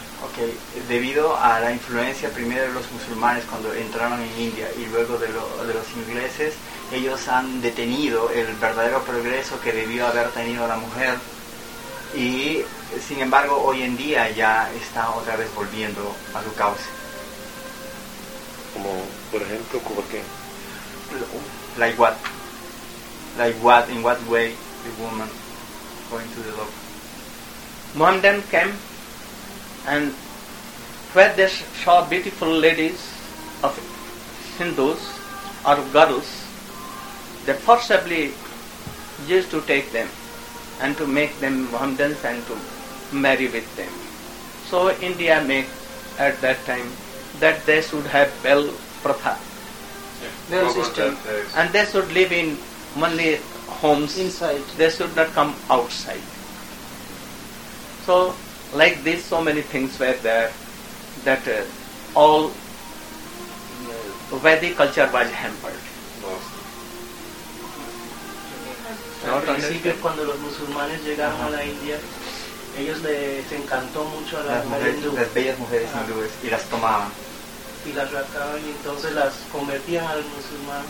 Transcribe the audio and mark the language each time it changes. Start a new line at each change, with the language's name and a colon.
Spanish: Okay, debido a la influencia primero de los musulmanes cuando entraron en India y luego de, lo, de los ingleses, ellos han detenido el verdadero progreso que debió haber tenido la mujer, y sin embargo hoy en día ya está otra vez volviendo a su cauce. Como por ejemplo, ¿por qué?
English: Like what? In what way the woman going to the doctor? Mohammedan came and where they saw beautiful ladies of Hindus or girls, they forcibly used to take them and to make them Mohammedans and to marry with them. So India made at that time that they should have bell pratha. Their system, and they should live in only homes inside. They should not come outside. So like this, so many things were there that all Vedic culture was hampered.
Spanish: Principio, cuando los musulmanes llegaron a la India, ellos les encantó mucho a las mujeres, las bellas mujeres hindúes, y las tomaban. Y las rascaban y entonces las convertían al musulmán.